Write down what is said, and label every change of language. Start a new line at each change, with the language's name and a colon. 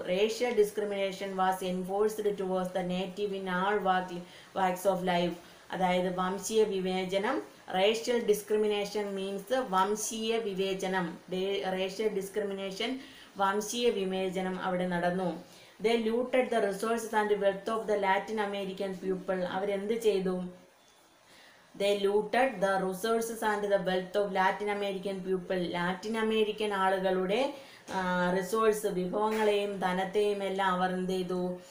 English: Racial discrimination was enforced towards the native in all walks of life.
Malayalam: അതായത് വംശീയ വിവേചനം, racial discrimination means വംശീയ വിവേചനം, റേഷ്യൽ ഡിസ്ക്രിമിനേഷൻ വംശീയ വിവേചനം അവിടെ നടന്നു.
English: The looted the resources and wealth of the Latin American people.
Malayalam: അവരെന്ത് ചെയ്തു?
English: They looted the resources and the wealth of Latin American people.
Malayalam: Latin American ആളുകളുടെ റിസോഴ്സ്, വിഭവങ്ങളെയും ധനത്തെയും എല്ലാം അവർ എന്ത് ചെയ്തു?